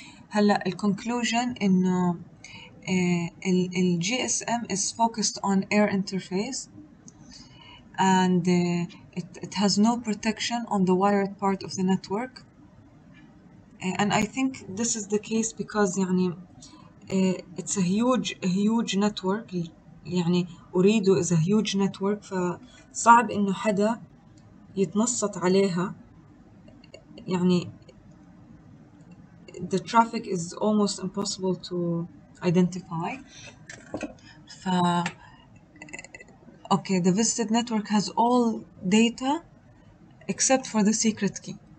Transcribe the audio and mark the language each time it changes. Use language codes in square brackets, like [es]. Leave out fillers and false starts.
[ar] هلا ال [en] conclusion [ar] إنه ال [en] GSM is focused on air interface, and it has no protection on the wired part of the network. And I think this is the case because يعني it's a huge network. [ar] يعني أريده [en] is a huge network, [ar] فصعب إنه حدا يتنصت عليها. [en] يعني the traffic is almost impossible to identify. ف okay, the visited network has all data except for the secret key.